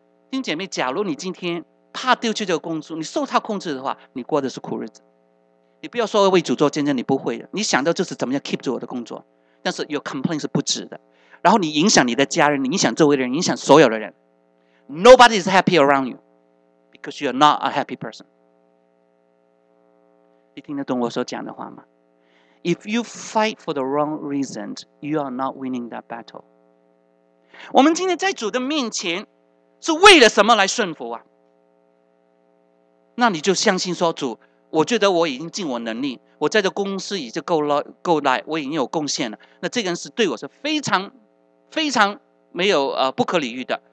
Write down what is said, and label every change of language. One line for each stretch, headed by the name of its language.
Chinese: 弟兄姐妹，假如你今天怕丢去这个工作，你受他控制的话，你过的是苦日子。你不要说为主做见证，你不会的。你想到就是怎么样 keep 住我的工作，但是
English: your complaint
Chinese: 是不值的。然后你影响你的家人，你影响周围的人，影响所有的人。
English: Nobody is happy around you because you are not a happy person.
Chinese: 你听得懂我所讲的话吗？
English: If you fight for the wrong reasons, you are not winning that battle.
Chinese: 我们今天在主的面前是为了什么来顺服啊？那你就相信说主，我觉得我已经尽我能力，我在这公司已经够来，我已经有贡献了。那这个人是对我是非常非常没有不可理喻的。